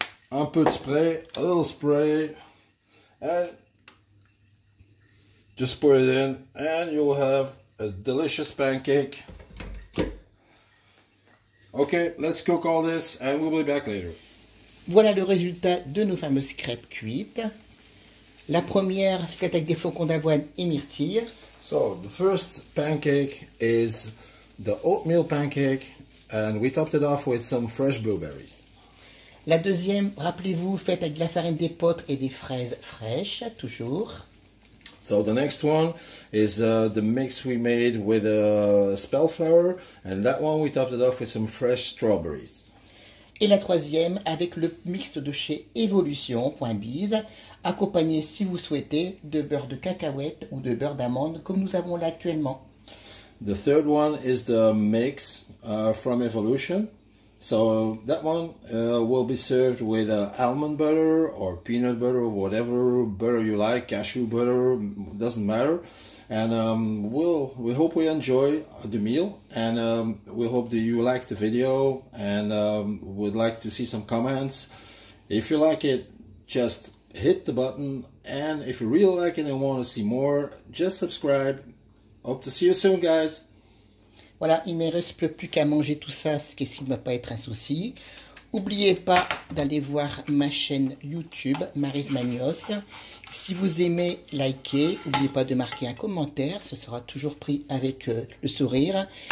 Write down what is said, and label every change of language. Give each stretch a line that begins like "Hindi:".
French: Un peu de spray,
English: a little spray, and just put it in, and you'll have a delicious pancake. Okay, let's cook all this, and we'll be back later.
French: Voilà le résultat de nos fameuses crêpes cuites. La première se fait avec des flocons d'avoine et myrtille.
English: So, the first pancake is the oatmeal pancake, and we topped it off with some fresh blueberries.
French: La deuxième, rappelez-vous, faite avec de la farine d'épeautre et des fraises fraîches, toujours.
English: So the next one is the mix we made with a spell flour, and that one we topped it off with some fresh strawberries.
French: Et la troisième, avec le mix de chez Evolution.biz, accompagné, si vous souhaitez, de beurre de cacahuète ou de beurre d'amande, comme nous avons là actuellement.
English: The third one is the mix from Evolution. So that one will be served with almond butter or peanut butter, whatever butter you like, cashew butter, doesn't matter. And we hope we enjoy the meal, and we hope that you like the video, and would like to see some comments. If you like it, just hit the button, and if you really like it and want to see more, just subscribe. Hope to see you soon, guys.
French: Voilà, il ne me reste plus qu'à manger tout ça, ce qui ne va pas être un souci. N'oubliez pas d'aller voir ma chaîne YouTube, Maryse Manios. Si vous aimez, likez. N'oubliez pas de marquer un commentaire, ce sera toujours pris avec le sourire.